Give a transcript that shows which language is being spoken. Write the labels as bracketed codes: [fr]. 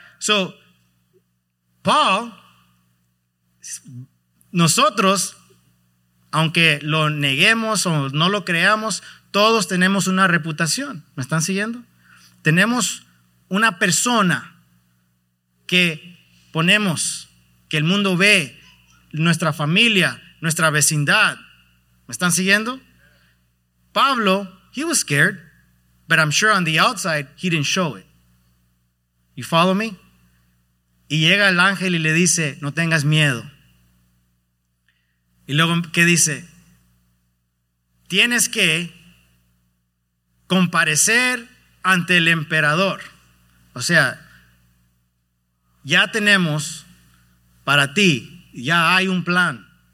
[en] So, [es] Paul, nosotros, aunque lo neguemos o no lo creamos, todos tenemos una reputación. ¿Me están siguiendo? Tenemos una persona que ponemos, que el mundo ve, nuestra familia, nuestra vecindad. ¿Me están siguiendo? [en] Pablo, he was scared, but I'm sure on the outside he didn't show it. You follow me? [es] Y llega el ángel y le dice, no tengas miedo. Y luego, ¿qué dice? Tienes que comparecer ante el emperador. O sea, ya tenemos para ti, ya hay un plan.